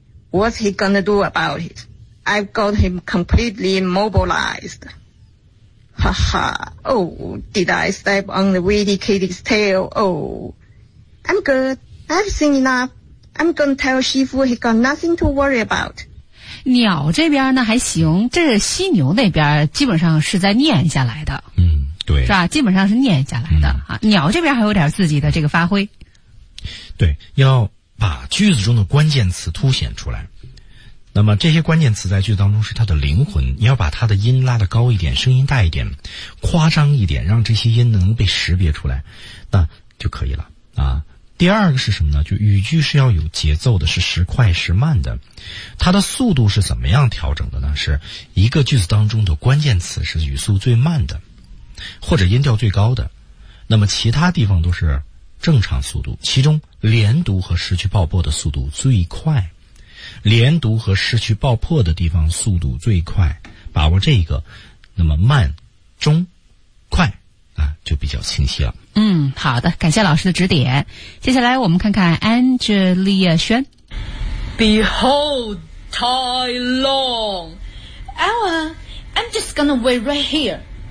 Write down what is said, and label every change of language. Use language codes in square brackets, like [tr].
[en] What's he gonna do about it? I've got him completely immobilized. Ha ha. Oh, did I step on the witty kitty's tail? Oh. I'm good. I've seen enough. I'm gonna tell Shifu he got nothing to worry about. [zh] 鸟这边呢还行，这是犀牛那边基本上是在念下来的。嗯，对。是吧，基本上是念下来的。嗯、鸟这边还有点自己的这个发挥。对，要把句子中的关键词凸显出来。那么这些关键词在句子当中是它的灵魂，你要把它的音拉得高一点，声音大一点，夸张一点，让这些音能被识别出来，那就可以了啊。第二个是什么呢？就语句是要有节奏的，是时快时慢的。它的速度是怎么样调整的呢？是一个句子当中的关键词是语速最慢的，或者音调最高的，那么其他地方都是正常速度，其中连读和失去爆破的速度最快，连读和失去爆破的地方速度最快，把握这个，那么慢、中、快啊就比较清晰了。嗯，好的，感谢老师的指点。接下来我们看看 Angelia 轩。 [en] Behold, Tai Long, Ella, I'm just gonna wait right here.